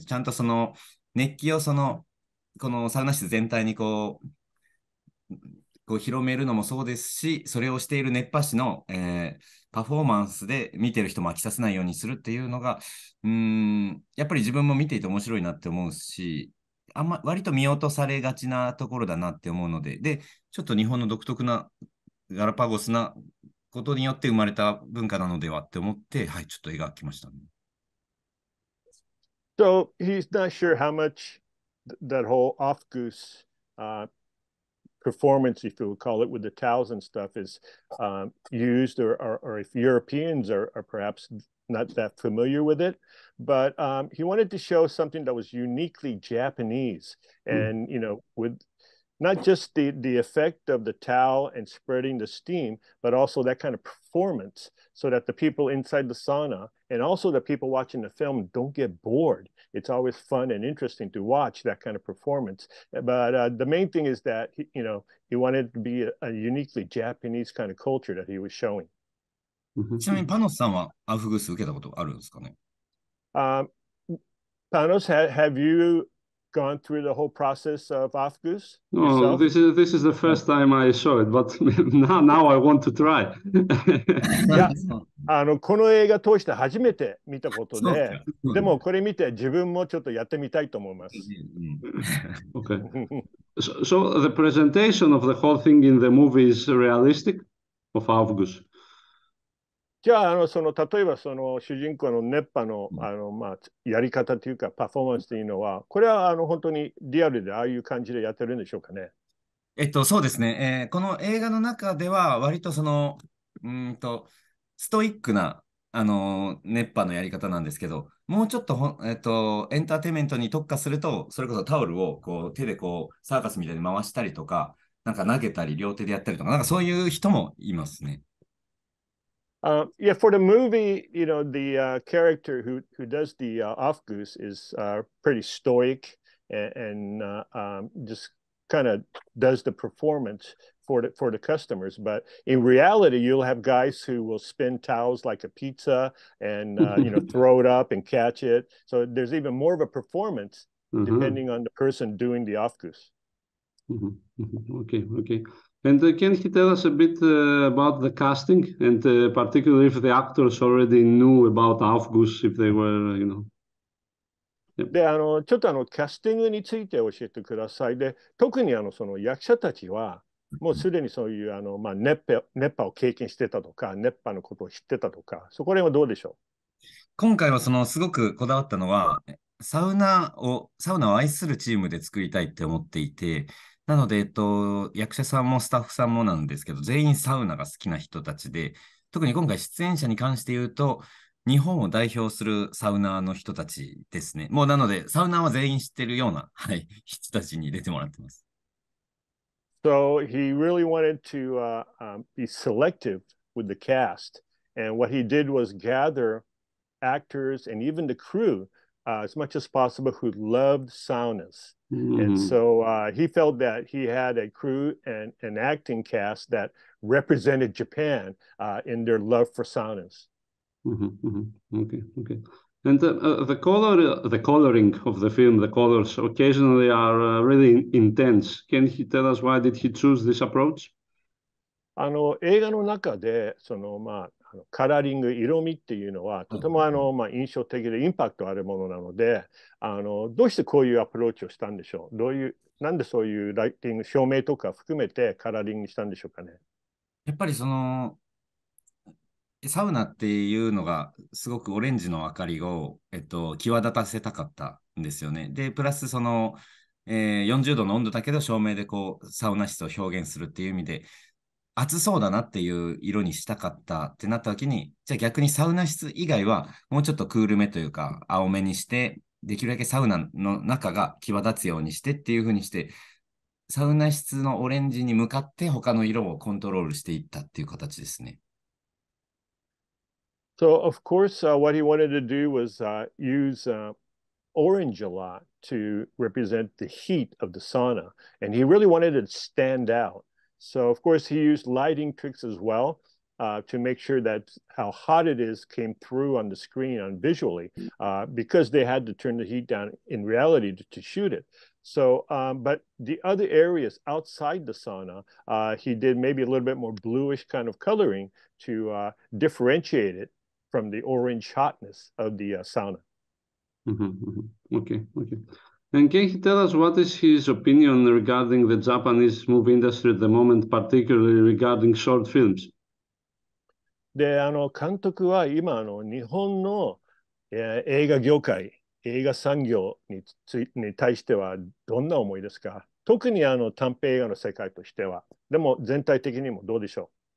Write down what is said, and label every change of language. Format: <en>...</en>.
<ja>ちゃんとその熱気をそのこのサウナ室全体にこう広めるのもそうですし、それをしている熱波師の、パフォーマンスで見てる人も飽きさせないようにするっていうのが、やっぱり自分も見ていて面白いなって思うし、あんま割と見落とされがちなところだなって思うので、でちょっと日本の独特なガラパゴスなことによって生まれた文化なのではって思って、はい、ちょっと描きました、ね、</ja> <en>So he's not sure how much that whole Aufguss performance, if you would call it, with the towels and stuff is used, or if Europeans are perhaps not that familiar with it. But he wanted to show something that was uniquely Japanese. And, you know, with not just the effect of the towel and spreading the steam, but also that kind of performance so that the people inside the sauna and also the people watching the film don't get bored. It's always fun and interesting to watch that kind of performance. But the main thing is that, you know, he wanted it to be a uniquely Japanese kind of culture that he was showing.</en> <ja>ちなみにパノスさんはアフグス受けたことあるんですかね？</ja> <en>Panos, have you gone through the whole process of Aufguss? No, this is the first time I saw it, but now I want to try.</en> <ja>Yeah, この映画通して初めて見たことで、でもこれ見て自分もちょっとやってみたいと思います。</ja> <en>Okay. So the presentation of the whole thing in the movie is realistic of Aufguss?</en> <ja>じゃあ、その例えばその主人公の熱波 の, まあやり方というかパフォーマンスというのは、これは本当にリアルでああいう感じでやってるんでしょうかね。そうですね、この映画の中では割とそのストイックな熱波のやり方なんですけど、もうちょっ と,、エンターテイメントに特化すると、それこそタオルをこう手でこうサーカスみたいに回したりとか、なんか投げたり両手でやったりとか、なんかそういう人もいますね。</ja> <en>Yeah, for the movie, you know, the character who does the Aufguss is pretty stoic and just kind of does the performance for the customers. But in reality, you'll have guys who will spin towels like a pizza and, you know, throw it up and catch it. So there's even more of a performance depending on the person doing the Aufguss. Okay. And can he tell us a bit about the casting, and particularly if the actors already knew about Aufguss, if they were, you know? Yep.</en> <ja>で、ちょっとキャスティングについて教えてください。で、特にその役者たちは、もうすでにそういう熱波を経験してたとか、熱波のことを知ってたとか、そこら辺はどうでしょう？今回はそのすごくこだわったのは、サウナを愛するチームで作りたいって思っていて、なので、役者さんもスタッフさんもなんですけど、全員サウナが好きな人たちで、特に今回出演者に関して言うと、日本を代表するサウナーの人たちですね。もうなので、サウナーは全員知ってるような、はい、人たちに出てもらってます。</ja> <en>So he really wanted to be selective with the cast. And what he did was gather actors and even the crew as much as possible who loved saunas. And so he felt that he had a crew and an acting cast that represented Japan in their love for saunas. Okay. And the coloring of the film, the colors occasionally are really intense. Can he tell us why did he choose this approach?</en> <ja>映画の中でカラーリング、色味っていうのはとても印象的でインパクトあるものなので、どうしてこういうアプローチをしたんでしょう？どういう、なんでそういうライティング、照明とか含めてカラーリングしたんでしょうかね？やっぱりそのサウナっていうのがすごくオレンジの明かりを、際立たせたかったんですよね。で、プラスその 40度の温度だけど照明でこうサウナ室を表現するっていう意味で暑そうだなっていう色にしたかったってなった時に、じゃあ逆にサウナ室以外はもうちょっとクールめというか青めにして、できるだけサウナの中が際立つようにしてっていう風にして、サウナ室のオレンジに向かって他の色をコントロールしていったっていう形ですね。</ja> <en>So, of course, what he wanted to do was use orange a lot to represent the heat of the sauna. And he really wanted it to stand out. So, of course, he used lighting tricks as well to make sure that how hot it is came through on the screen on visually because they had to turn the heat down in reality to shoot it. So, but the other areas outside the sauna, he did maybe a little bit more bluish kind of coloring to differentiate it from the orange hotness of the sauna. Okay. And can he tell us what is his opinion regarding the Japanese movie industry at the moment, particularly regarding short films?</en> <ja>で、あの監督は今あの日本の、映画業界、映画産業に対してはどんな思いですか？特にあの短編映画の世界としては、でも全体的にもどうでしょう？</ja>